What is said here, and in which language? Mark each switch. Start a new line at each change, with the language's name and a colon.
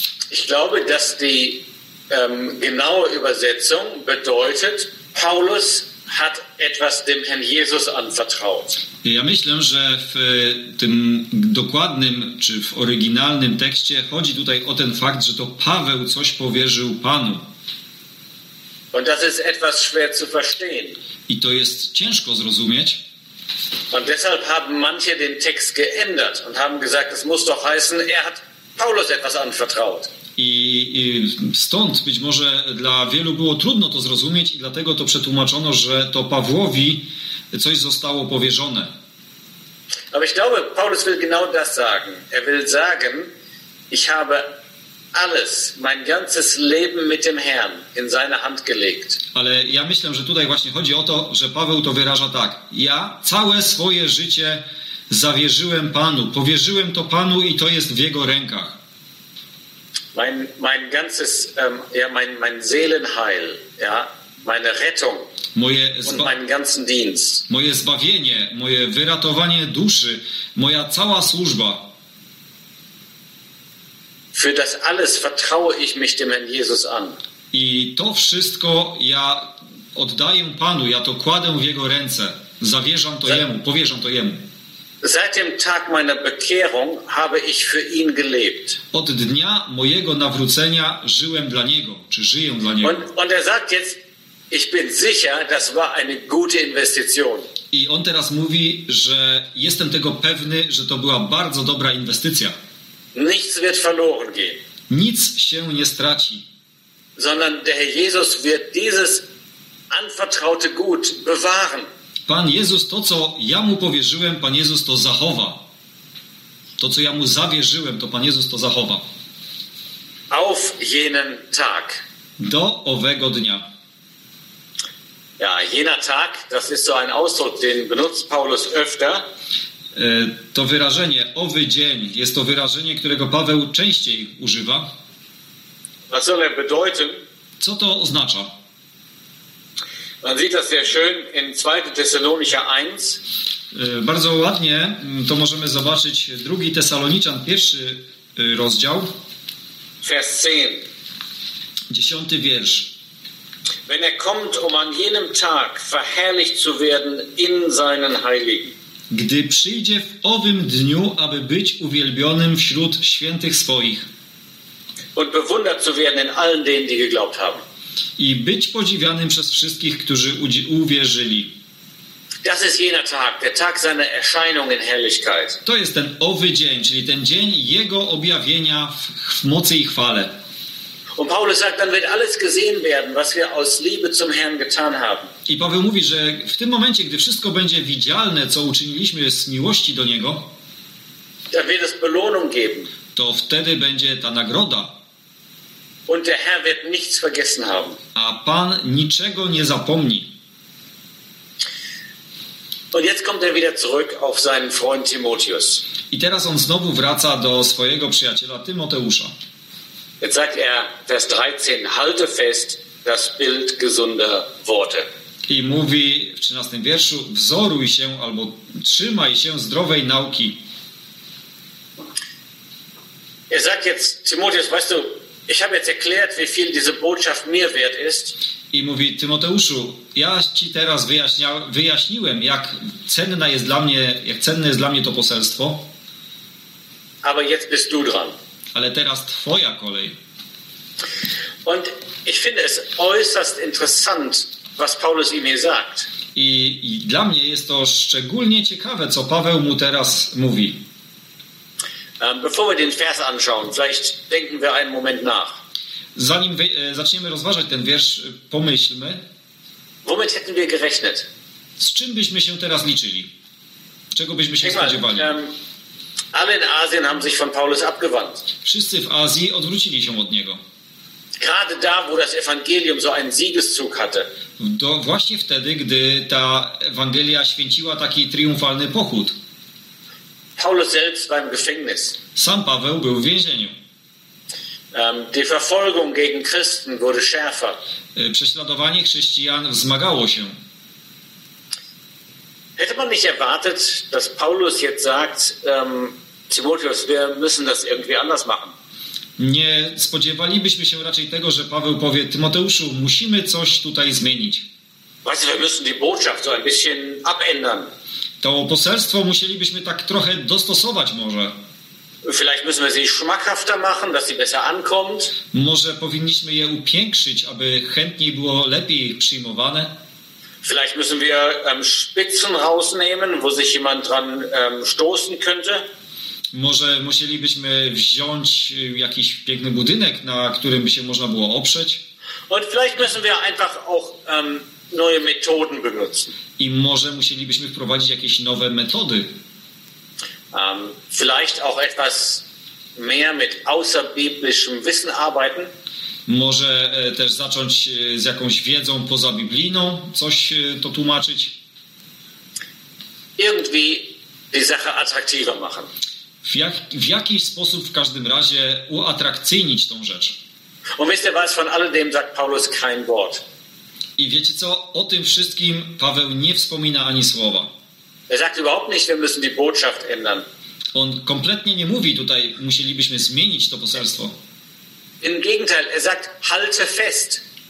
German: Ich glaube, dass die genaue Übersetzung bedeutet, Paulus hat etwas dem Herrn Jesus anvertraut.
Polish: Ja myślę, że w tym dokładnym czy w oryginalnym tekście chodzi tutaj o ten fakt, że to Paweł coś powierzył Panu.
German: Und das ist etwas schwer zu verstehen.
Polish: I to jest ciężko zrozumieć.
German: Und deshalb haben manche den Text geändert und haben gesagt, es muss doch heißen, er hat Paulus etwas anvertraut.
Polish: I stąd być może dla wielu było trudno to zrozumieć i dlatego to przetłumaczono, że to Pawłowi coś zostało powierzone.
German: Aber ich glaube, Paulus will genau das sagen. Er will sagen, ich habe alles, mein ganzes Leben mit dem Herrn in seine Hand gelegt.
Polish: Ale ja myślę, że tutaj właśnie chodzi o to, że Paweł to wyraża tak. Ja całe swoje życie zawierzyłem Panu, powierzyłem to Panu i to jest w jego rękach.
German: Mein ganzes mein Seelenheil, ja, meine Rettung, meinen ganzen Dienst.
Polish: Moje zbawienie, moje wyratowanie duszy, moja cała służba.
German: Für das alles vertraue ich mich dem Herrn Jesus an.
Polish: I to wszystko ja oddaję Panu, ja to kładę w jego ręce. Zawierzam to jemu, powierzam to jemu.
German: Seit dem Tag meiner Bekehrung habe ich für ihn gelebt.
Polish: Od dnia mojego nawrócenia żyłem dla niego, czy żyję dla niego.
German: Und er sagt jetzt, ich bin sicher, das war eine gute Investition.
Polish: I on teraz mówi, że jestem tego pewny, że to była bardzo dobra inwestycja.
German: Nichts wird verloren gehen.
Polish: Nic się nie straci.
German: Sondern der Herr Jesus wird dieses anvertraute Gut bewahren.
Polish: Pan Jezus, to co ja mu powierzyłem, Pan Jezus to zachowa. To co ja mu zawierzyłem, to Pan Jezus to zachowa.
German: Auf jenen Tag.
Polish: Do owego dnia.
German: Ja, jener Tag, das ist so ein Ausdruck, den benutzt Paulus öfter.
Polish: To wyrażenie, owy dzień, jest to wyrażenie, którego Paweł częściej używa.
German: Was soll er bedeuten?
Polish: Co to oznacza?
German: Man sieht das sehr schön in 2. Thessalonicher 1.
Polish: Bardzo ładnie to możemy zobaczyć 2. Tesaloniczan, 1. rozdział.
German: Vers 10.
Polish: 10. wiersz.
German: Wenn er kommt, um an jenem Tag verherrlicht zu werden in seinen Heiligen.
Polish: Gdy przyjdzie w owym dniu, aby być uwielbionym wśród świętych swoich.
German: Und bewundert zu werden in allen denen, die geglaubt haben.
Polish: I być podziwianym przez wszystkich, którzy uwierzyli.
German: Das ist jener Tag, der Tag seiner Erscheinung in Herrlichkeit.
Polish: To jest ten owy dzień, czyli ten dzień Jego objawienia w mocy i chwale.
German: Und Paulus sagt, dann wird alles gesehen werden, was wir aus Liebe zum Herrn getan haben.
Polish: I Paweł mówi, że w tym momencie, gdy wszystko będzie widzialne, co uczyniliśmy z miłości do Niego,
German: dann wird es Belohnung geben.
Polish: To wtedy będzie ta nagroda.
German: Und der Herr wird nichts vergessen haben.
Polish: A Pan niczego nie zapomni.
German: Und jetzt kommt er wieder zurück auf seinen Freund Timotheus.
Polish: I teraz on znowu wraca do swojego przyjaciela Tymoteusza.
German: Jetzt sagt er, Vers 13, halte fest das Bild gesunder Worte.
Polish: I mówi w 13 wierszu, wzoruj się albo trzymaj się zdrowej nauki.
German: Er sagt jetzt, Timotheus, weißt du, ich habe jetzt erklärt, wie viel diese Botschaft mir wert ist.
Polish: I mówi, Tymoteuszu, ja ci teraz wyjaśniłem, jak cenne jest dla mnie to poselstwo.
German: Aber jetzt bist du dran.
Polish: Ale teraz twoja kolej.
German: Und ich finde es äußerst interessant, was Paulus ihm hier sagt.
Polish: I dla mnie jest to szczególnie ciekawe, co Paweł mu teraz mówi.
German: Bevor wir den Vers anschauen, vielleicht denken wir einen Moment nach.
Polish: Zanim zaczniemy rozważać ten wiersz, pomyślmy.
German: Womit hätten wir gerechnet?
Polish: Z czym byśmy się teraz liczyli? Czego byśmy się spodziewali?
German: Alle in Asien haben sich von Paulus abgewandt.
Polish: Wszyscy w Azji odwrócili się od niego.
German: Gerade da, wo das Evangelium so einen Siegeszug hatte.
Polish: Właśnie wtedy, gdy ta Ewangelia święciła taki triumfalny pochód.
German: Paulus selbst war im Gefängnis.
Polish: Sam Paweł był w więzieniu.
German: Die Verfolgung gegen Christen wurde schärfer.
Polish: Prześladowanie chrześcijan wzmagało się.
German: Hätte man nicht erwartet, dass Paulus jetzt sagt, Timotheus, wir müssen das irgendwie anders machen.
Polish: Nie spodziewalibyśmy się raczej tego, że Paweł powie, Tymoteuszu, musimy coś tutaj zmienić.
German: Weißt du, wir müssen die Botschaft so ein bisschen abändern.
Polish: To poselstwo musielibyśmy tak trochę dostosować może.
German: Vielleicht müssen wir sie schmackhafter machen, dass sie besser ankommt.
Polish: Może powinniśmy je upiększyć, aby chętniej było lepiej przyjmowane.
German: Vielleicht müssen wir Spitzen rausnehmen, wo sich jemand dran stoßen könnte.
Polish: Może musielibyśmy wziąć jakiś piękny budynek, na którym by się można było oprzeć.
German: Und vielleicht müssen wir einfach auch neue Methoden benutzen.
Polish: I może musielibyśmy wprowadzić jakieś nowe metody.
German: Vielleicht auch etwas mehr mit außerbiblischem Wissen arbeiten.
Polish: Może też zacząć z jakąś wiedzą poza biblijną, coś to tłumaczyć.
German: Irgendwie die Sache attraktiver machen.
Polish: W jakiś sposób w każdym razie uatrakcyjnić tą rzecz.
German: Und wisst ihr was, von alledem sagt Paulus kein Wort.
Polish: I wiecie co, o tym wszystkim Paweł nie wspomina ani słowa.
German: Er sagt überhaupt nicht, wir müssen die Botschaft ändern.
Polish: On kompletnie nie mówi tutaj, musielibyśmy zmienić to poselstwo.
German: Im Gegenteil, er sagt, halte fest.